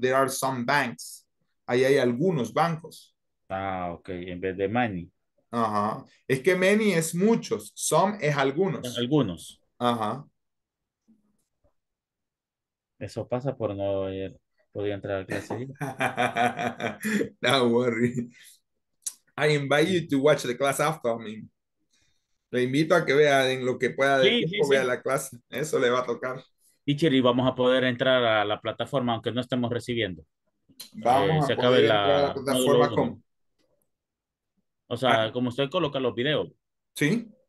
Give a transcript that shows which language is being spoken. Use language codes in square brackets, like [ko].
[en] There are some banks. [es] Ahí hay algunos bancos. Ah, ok. En vez de many. Ajá. Es que many es muchos. Some es algunos. Algunos. Ajá. Eso pasa por no haber podido entrar a clase. [en] No worry. I invite you to watch the class after me. [es] Le invito a que vea en lo que pueda de tiempo, vea la clase. Eso le va a tocar. Teacher, y vamos a poder entrar a la plataforma, aunque no estemos recibiendo. Vamos a poder entrar a la plataforma con. O sea, como usted coloca los videos. Sí.